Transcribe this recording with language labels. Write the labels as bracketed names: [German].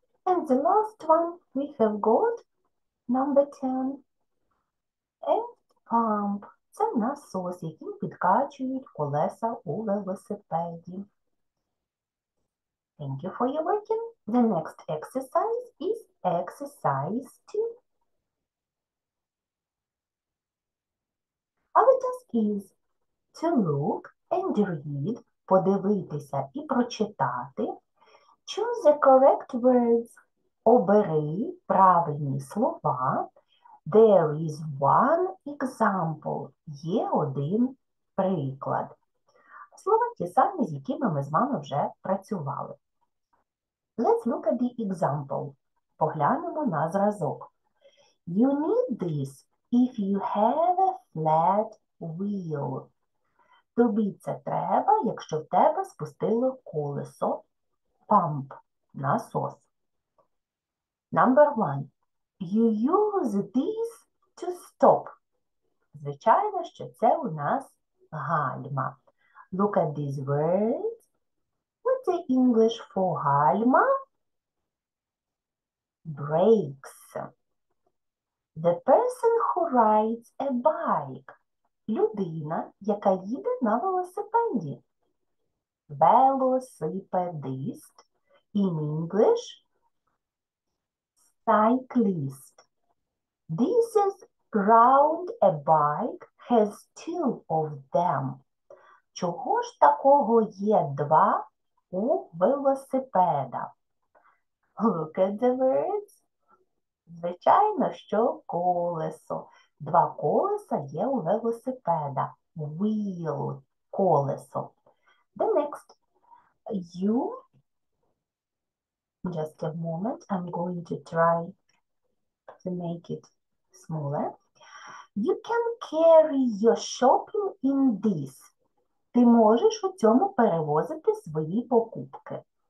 [English] And the last one, we have got number 10. And pump. [Ukrainian] Це насос, який підкачують колеса у велосипеді. [English] Thank you for your working. The next exercise is exercise 2. Our task is to look and read, [Ukrainian] подивитися і прочитати. [English] Choose the correct words. [Ukrainian] Обери правильні слова. [English] There is one example. [Ukrainian] Є один приклад. Слова ті самі, з якими ми з вами вже працювали. [English] Let's look at the example. [Ukrainian] Поглянемо на зразок. [English] You need this if you have a flat wheel. [Ukrainian] Тобі це треба, якщо в тебе спустило колесо. [English] Pump – насос. Number one. You use this to stop. [Ukrainian] Звичайно, що це у нас гальма. [English] Look at these words. What's the English for гальма? Brakes. The person who rides a bike. [Ukrainian] Людина, яка їде на велосипеді. Велосипедист. [English] In English, cyclist. This is round a bike has two of them. [Ukrainian] Чого ж такого є два у велосипеда? [English] Look at the words. [Ukrainian] Звичайно, що колесо. Два колеса є у велосипеда. [English] Wheel – колесо. The next. You. Just a moment. I'm going to try to make it smaller. You can carry your shopping in this. [Ukrainian] Ти можеш у цьому перевозити свої покупки.